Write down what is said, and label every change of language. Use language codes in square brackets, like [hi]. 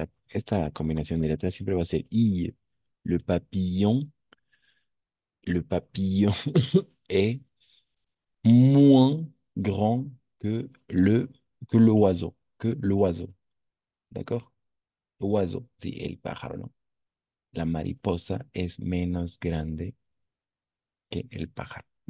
[es] Esta combinación de lettres siempre va a ser I. [fr] Le papillon. Le papillon. est moins grand que l'oiseau. Que l'oiseau. D'accord? L'oiseau, c'est el pájaro, non? [es] La mariposa est menos grande que el pájaro.